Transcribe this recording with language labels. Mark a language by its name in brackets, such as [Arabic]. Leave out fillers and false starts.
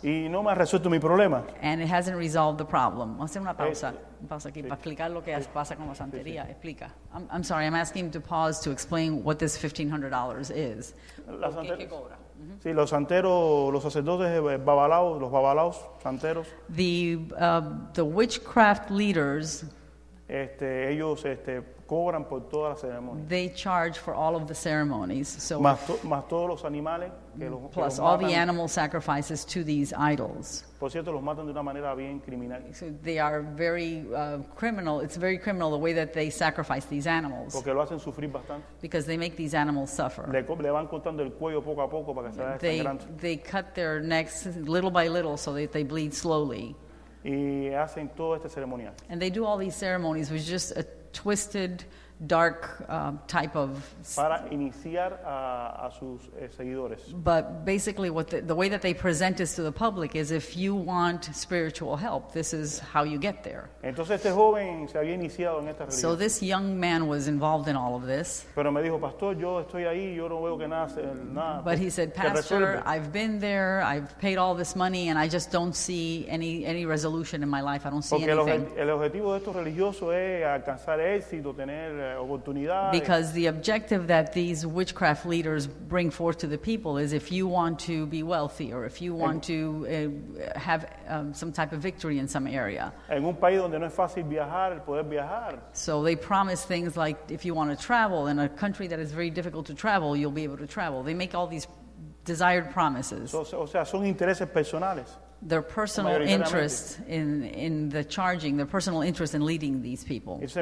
[Spanish] Y no me ha resuelto mi problema. [English] And it hasn't resolved the problem. [Spanish] Vamos a hacer una pausa. Pausa aquí, sí. Para explicar lo que sí. Pasa con la santería. Sí, sí. Explica. [English] I'm sorry, I'm asking to pause to explain what this $1,500 is. [Spanish] ¿Qué cobra? Mm-hmm. Sí, los santeros, los sacerdotes babalaos, los babalaos, santeros. [English] The witchcraft leaders. [Spanish] Ellos cobran por todas las ceremonias. [English] They charge for all of the ceremonies. So [Spanish] más todos los animales que los [English] plus [Spanish] que los [English] all the animal sacrifices to these idols. [Spanish] Por cierto, los matan de una manera bien criminal. [English] So they are very criminal. It's very criminal the way that they sacrifice these animals. [Spanish] Porque lo hacen sufrir bastante. [English] Because they make these animals suffer. [Spanish] Le van cortando el cuello poco a poco para que se vaya sangrando. [English] They cut their necks little by little so that they bleed slowly. [Spanish] Y hacen todo este ceremonial. [English] And they do all these ceremonies, which is just a twisted dark type of [Spanish] para iniciar a sus seguidores. [English] But basically what the way that they present this to the public is if you want spiritual help, this is how you get there. [Spanish] Entonces este joven se había iniciado en esta religión. [English] So this young man was involved in all of this. [Spanish] Pero me dijo, "Pastor, yo estoy ahí, yo no veo que nada, [English] But he said, "Pastor, I've been there, I've paid all this money and I just don't see any resolution in my life. I don't see [Spanish] Porque [English] anything." [Spanish] El objetivo de estos religiosos es alcanzar éxito, tener [English] Because the objective that these witchcraft leaders bring forth to the people is if you want to be wealthy or if you want to have some type of victory in some area. [Spanish] En un país donde no es fácil viajar, poder viajar. [English] So they promise things like if you want to travel in a country that is very difficult to travel, you'll be able to travel. They make all these desired promises. [Spanish] O sea, son intereses personales. [English] Their personal interest in the charging, their personal interest in leading these people.